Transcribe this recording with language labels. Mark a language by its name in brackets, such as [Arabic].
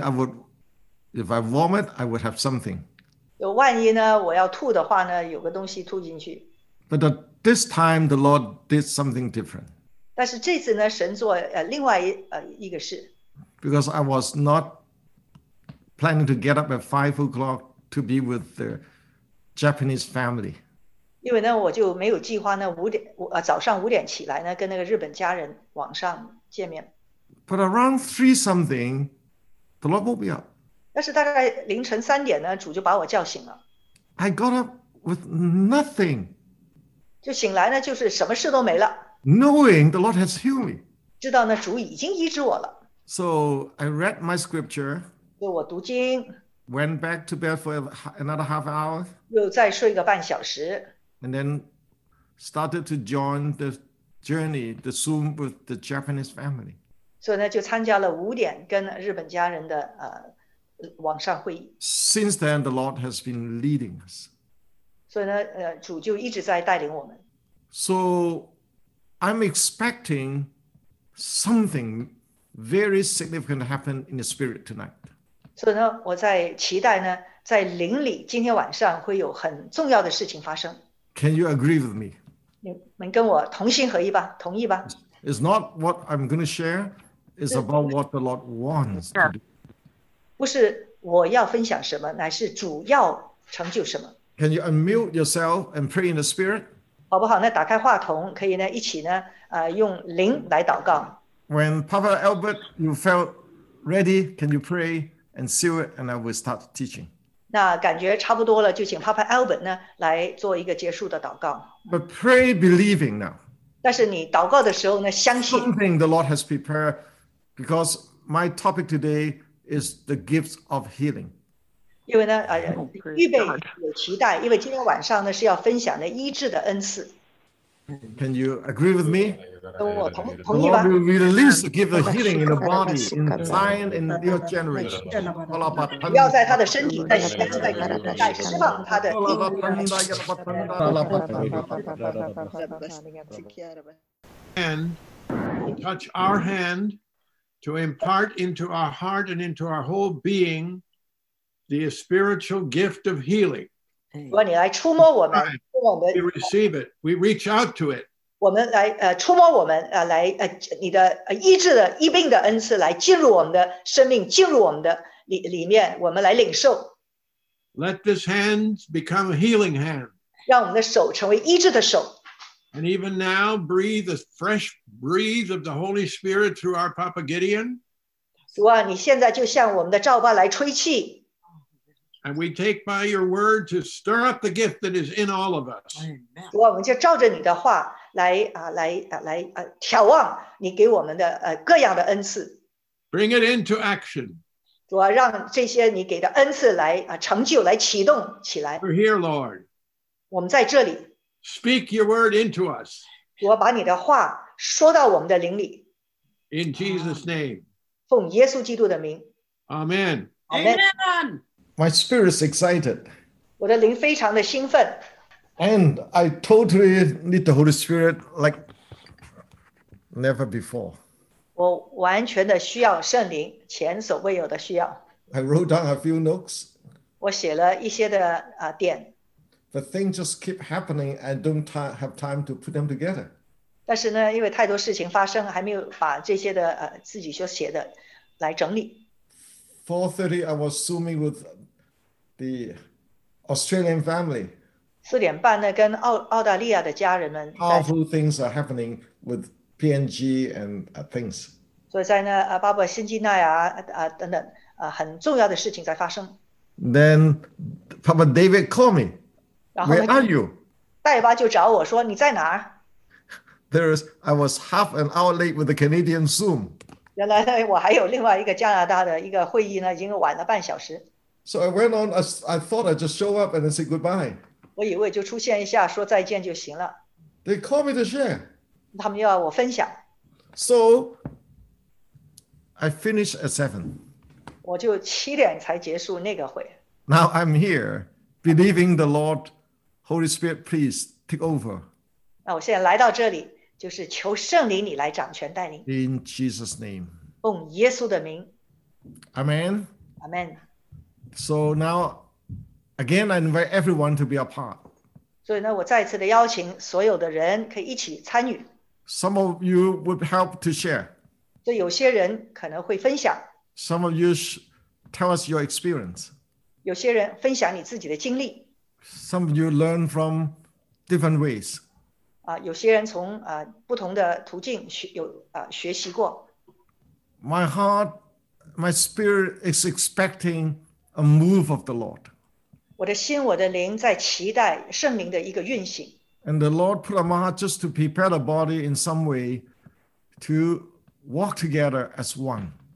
[English] I would, if I vomit, I would have something. [Chinese] 有万一呢，我要吐的话呢，有个东西吐进去。 [English] But this time the Lord did something different. [Chinese] 但是这次呢，神做另外一个事。 [English] Because I was not planning to get up at 5 o'clock to be with the Japanese family. [Chinese] 因为呢，我就没有计划呢，早上五点起来呢，跟那个日本家人网上见面。 [English] But around 3 something, the Lord woke me up. [Chinese] 但是大概凌晨3点呢，主就把我叫醒了。 [English] I got up with nothing. [Chinese] 就醒来呢，就是什么事都没了， [English] Knowing the Lord has healed me. [Chinese] 知道呢，主已经医治我了。 [English] So I read my scripture, [Chinese] 就我读经， [English] went back to bed for another half hour, [Chinese] 又再睡个半小时。 [English] and then started to join the journey, the Zoom with the Japanese family. [Chinese] 所以呢，就参加了5点跟日本家人的网上会议。 [English] Since then, the Lord has been leading us. [Chinese] 所以呢，主就一直在带领我们。 [English] So I'm expecting something very significant to happen in the spirit tonight. [Chinese] 所以呢，我在期待呢，在灵里今天晚上会有很重要的事情发生。 [English] Can you agree with me? [Chinese] 你们跟我同心合意吧，同意吧？ [English] It's not what I'm going to share, it's about what the Lord wants to do. [Chinese] 不是我要分享什么，乃是主要成就什么， [English] Can you unmute yourself and pray in the Spirit? [Chinese] 好不好？那打开话筒，可以呢，一起呢，用灵来祷告。 [English] When Papa Albert, you felt ready, can you pray and seal it, and I will start teaching? [Chinese] 那感觉差不多了，就请 Papa Albert 呢来做一个结束的祷告。 [English] But pray believing now. [Chinese] 但是你祷告的时候呢，相信。 [English] Something the Lord has prepared, because my topic today is the gifts of healing. [Chinese] 因为呢， [English] Oh, praise [Chinese] 预备 [English] God. [Chinese] 有期待，因为今天晚上呢是要分享的医治的恩赐。 [English] Can you agree with me? Yeah, [Chinese] 跟我 [English] The [Chinese] 同意 [English] Lord [Chinese] 吧。 [English] will release the gift of healing in the body, in Zion, in your generation. [Chinese] 不要在他的身体再释放他的病。 [English] And touch our hand to impart into our heart and into our whole being the spiritual gift of healing. [Chinese] 如果你来触摸我们， [English] We receive it. We reach out to it. [Chinese] 我们来触摸我们来你的医治的医病的恩赐来进入我们的生命，进入我们的里面，我们来领受。 [English] Let this hand become a healing hand. [Chinese] 让我们的手成为医治的手。 [English] And even now, breathe a fresh breath of the Holy Spirit through our Papa Gideon. [Chinese] 主啊，你现在就向我们的召办来吹气。 [English] And we take by your word to stir up the gift that is in all of us. [Chinese] 我们就照着你的话来眺望你给我们的各样的恩赐。 [English] Bring it into action. [Chinese] 主啊，让这些你给的恩赐来成就，来启动起来。 [English] We're here, Lord. [Chinese] 我们在这里。 [English] Speak your word into us. [Chinese] 我把你的话说到我们的灵里。 [English] In Jesus' name. [Chinese] 奉耶稣基督的名。 [English] Amen. Amen. Amen. My spirit is excited. [Chinese] 我的灵非常的兴奋。 [English] And I totally need the Holy Spirit like never before. [Chinese] 我完全的需要圣灵，前所未有的需要。 [English] I wrote down a few notes. [Chinese] 我写了一些的点。 [English] But things just keep happening and don't have time to put them together. [Chinese] 但是呢，因为太多事情发生，还没有把这些的自己所写的来整理。 [English] 4:30, I was zooming with the Australian family. [Chinese] 4点半呢，跟澳大利亚的家人们。 [English] Powerful things are happening with PNG and things. [Chinese] 所以在呢，巴布新几内亚等等，很重要的事情在发生。 [English] Then Papa David called me. Where are you? [Chinese] 戴巴就找我说你在哪儿 [English] ？There's I was half an hour late with the Canadian Zoom. [Chinese] 原来我还有另外一个加拿大的一个会议呢，已经晚了半小时。 [English] So I went on, I thought I'd just show up and I'd say goodbye. [Chinese] 我以为就出现一下，说再见就行了。 [English] They called me to share. [Chinese] 他们要我分享。 [English] So I finished at 7. [Chinese] 我就7点才结束那个会。 [English] Now I'm here, believing the Lord, Holy Spirit, please take over. [Chinese] 那我现在来到这里，就是求圣灵你来掌权带领。 [English] In Jesus' name. [Chinese] 奉耶稣的名。 [English] Amen. Amen. So now, again, I invite everyone to be a part. [Chinese] 所以呢，我再次的邀请所有的人可以一起参与。 [English] Some of you would help to share. [Chinese] 就有些人可能会分享。 [English] Some of you tell us your experience. [Chinese] 有些人分享你自己的经历。 [English] Some of you learn from different ways. [Chinese] 有些人从不同的途径学习过。 [English] My heart, my spirit is expecting. A move of the Lord. [Chinese] 我的心，我的灵在期待圣灵的一个运行。 [English] And the Lord put on my heart just to prepare the body in some way to walk together as one.